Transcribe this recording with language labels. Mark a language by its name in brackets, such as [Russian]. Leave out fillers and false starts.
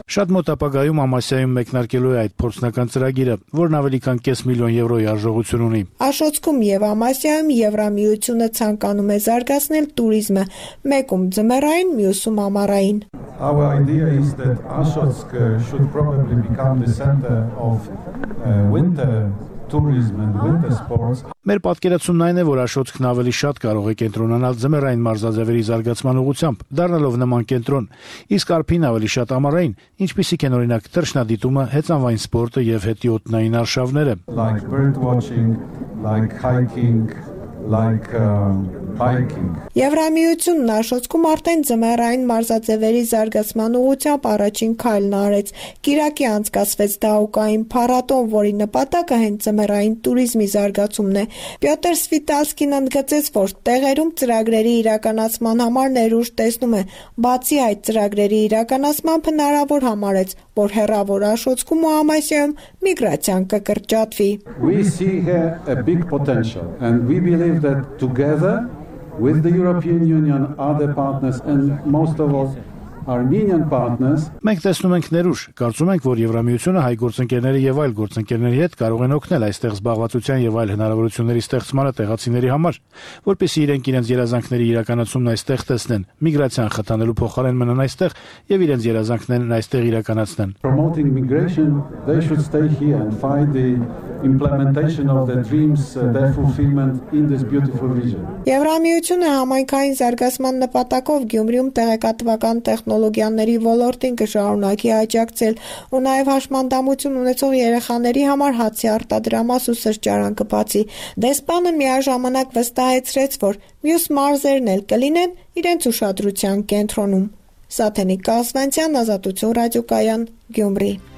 [Armenian] Շատ մոտ ապագայում Ամասիայում մեկնարկելու է այդ փորձնական ծրագիրը, որն ավելի քան 500,000 եվրոյի արժողություն ունի։ Աշոցքում եւ Ամասիայում Եվրամիությունը ցանկանում է զարգացնել տուրիզմ, մեկում ձմեռային, մյուսում ամառային։ [English] Our idea is that Ashotsk should probably become the center of winter tourism and winter sports. [Armenian] Մեր պատկերացումն այն է, որ Աշոտքն ավելի շատ կարող է կենտրոնանալ ձմեռային մարզաձևերի զարգացման ուղղությամբ, դառնալով նման կենտրոն, իսկ արփին ավելի շատ ամառային, ինչպիսիք են օրինակ թռչնադիտումը, հեծանվային սպորտը եւ հետիոտնային արշավները։ [English] Like bird watching, like hiking, like biking. [Armenian] Եվրամիությունն Աշոտքում արդեն ձմեռային մարզաձևերի զարգացման ուղղությամբ առաջին քայլն արեց։ Կիրակի անցկացվեց Դաուկային փառատոն, որի նպատակը հենց ձմեռային туриզմի զարգացումն է։ Պյոտր Սվիտալսկին ընդգծեց, որ տեղերում ծրագրերի իրականացման համար ներուժ տեսնում է, բացի այդ ծրագրերի իրականացման հնարավոր համարեց որ հեռավոր Աշոցքում ու Ամասիայում միգրացիան կկրճատվի։ [English] We see here a big potential and we believe that together with the European Union, other partners and most of all Armenian partners. [Armenian] Մենք տեսնում ենք ներուժ, կարծում ենք, որ Եվրամիությունը հայ գործընկերների եւ այլ գործընկերների հետ կարող են օգնել այստեղ զբաղվածության եւ այլ հնարավորությունների ստեղծմանը տեղացիների համար, որպեսզի իրենք իրենց երազանքների իրականացումն այստեղ տեսնեն, միգրացիան խթանելու փոխարեն մնան այստեղ եւ իրենց երազանքներն այստեղ իրականացնեն. [English] Promoting migration, they should stay here and find the implementation of their dreams, their fulfillment in this beautiful region. [Armenian] Եվրամիությունը համայնքային զարգացման նպատակով Գյումրիում տեղեկատվական տեխնոլոգիաների ոլորտին կշարունակի աջակցել ու նաև հաշմանդամություն ունեցող երեխաների համար հացի արտադրամաս ու սրճարան կբացի։ Դեսպանը միաժամանակ վստահեցրեց, որ մյուս մարզերն էլ կլինեն իրենց ուշադրության կենտրոնում։ Սաթենի Կասվանցյան, Ազատություն ռադիոկայան, Գյումրի։